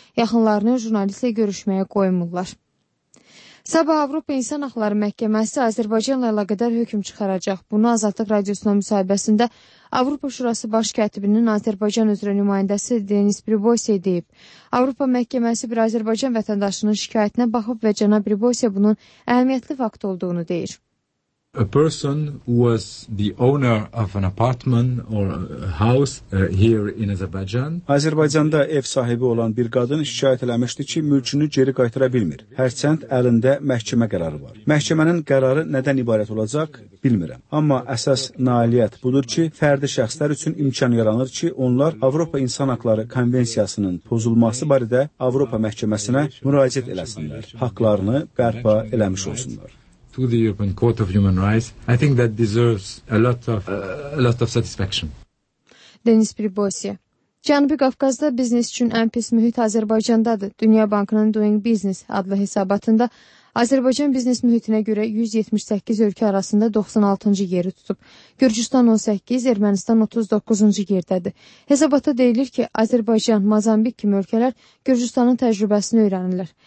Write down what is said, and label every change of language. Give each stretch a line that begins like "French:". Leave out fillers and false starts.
Azerbaijani: Yaxınlarını jurnalistlə görüşməyə qoymurlar. Sabah Avropa İnsan Haqları Məhkəməsi Azərbaycanla əlaqədar hökm çıxaracaq. Bunu Azadlıq Radiosuna müsahibəsində Avropa Şurası Baş Katibinin Azərbaycan üzrə nümayəndəsi Denis Briboisi deyib. Avropa Məhkəməsi bir Azərbaycan vətəndaşının şikayətinə baxıb və cənab Briboisi bunun əhəmiyyətli fakt olduğunu deyir.
English: A person who was the owner of an apartment or a house here in Azerbaijan.
Azerbaijani: Azərbaycanda ev sahibi olan bir qadın şikayət eləmişdi ki, mülkünü geri qaytara bilmir. Hərçənd əlində məhkəmə qərarı var. Məhkəmənin qərarı nədən ibarət olacaq, bilmirəm. Amma əsas nailiyyət budur ki, fərdi şəxslər üçün imkan yaranır ki, onlar Avropa İnsan Haqları Konvensiyasının pozulması barədə Avropa Məhkəməsinə müraciət eləsinlər. Haqlarını bərpa eləmiş olsunlar.
English: To the European Court of Human Rights, I think that deserves a lot of satisfaction.
Azerbaijani: Denis Briboisi. Cənubi Qafqazda biznes üçün ən pis mühit Azərbaycandadır. Dünya Bankının Doing Business adlı hesabatında Azərbaycan biznes mühitinə görə 178 ölkə arasında 96-cı yeri tutub. Gürcüstan 18, Ermənistan 39-cu yerdədir. Hesabata deyilir ki, Azərbaycan, Mozambik kimi ölkələr Gürcüstanın təcrübəsini öyrənirlər.